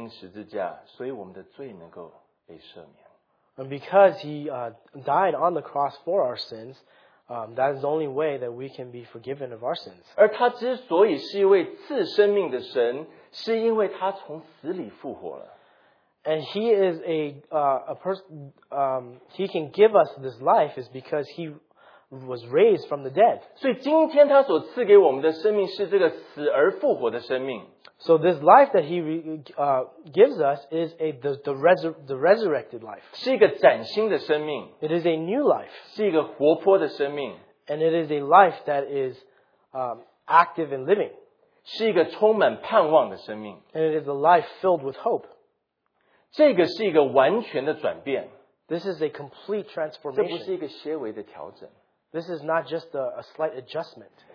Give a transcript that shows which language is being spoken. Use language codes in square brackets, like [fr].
[zh] 他为我们的罪而死，我们与他一同钉十字架，所以我们的罪能够被赦免。 [en] And because He died on the cross for our sins, that is the only way that we can be forgiven of our sins. [zh] 而他之所以是一位赐生命的神，是因为他从死里复活了。 [en] And He is a person, He can give us this life is because He was raised from the dead. [zh] 所以今天他所赐给我们的生命是这个死而复活的生命。 [en] So this life that He gives us is the resurrected life. [zh] 是一个崭新的生命。 [en] It is a new life. [zh] 是一个活泼的生命。 [en] And it is a life that is active and living. [zh] 是一个充满盼望的生命。 [en] And it is a life filled with hope. [zh] 这个是一个完全的转变。 [en] This is a complete transformation. [zh] 这不是一个些微的调整。 [en] This is not just a slight adjustment.